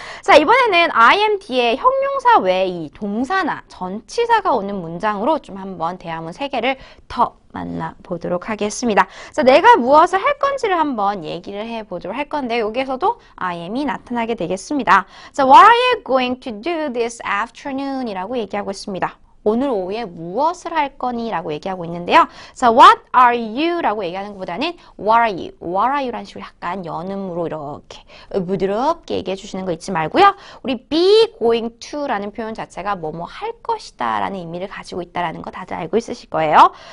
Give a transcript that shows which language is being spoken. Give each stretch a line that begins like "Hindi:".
Korean: 자, 이번에는 I am 뒤에 형용사 외에 이 동사나 전치사가 오는 문장으로 좀 한번 대화문 세 개를 더 만나보도록 하겠습니다. 자, 내가 무엇을 할 건지를 한번 얘기를 해 보도록 할 건데, 여기에서도 I am이 나타나게 되겠습니다.
English: 자, What are you going to do this afternoon?
Korean: 이라고 얘기하고 있습니다. 오늘 오후에 무엇을 할 거니라고 얘기하고 있는데요.
English: So what are you
Korean: 라고 얘기하는 것보다는
English: what are you
Korean: 라는 식으로 약간 연음으로 이렇게 부드럽게 얘기해 주시는 거 잊지 말고요. 우리 be going to라는 표현 자체가 뭐뭐 할 것이다라는 의미를 가지고 있다라는 거 다들 알고 있으실 거예요.